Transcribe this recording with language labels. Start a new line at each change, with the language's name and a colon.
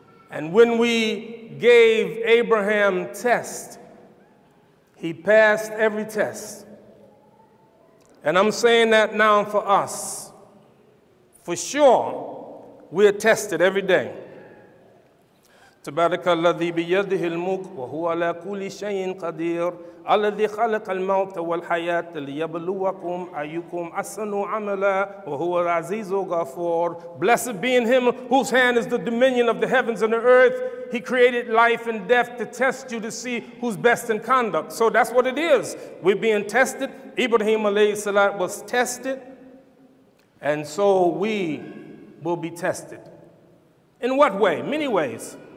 English: And when we gave Abraham tests, he passed every test. And I'm saying that now for us. For sure, we are tested every day.
Arabic: تبارك الذي بيده الملك وهو على كل شيء قدير الذي خلق الموت والحياة ليبلوكم أيكم أحسن عملا وهو العزيز الغفور.
English: Blessed be in him whose hand is the dominion of the heavens and the earth. He created life and death to test you to see who's best in conduct. So that's what it is. We're being tested. Ibrahim alayhi salat was tested. And so we will be tested. In what way? Many ways.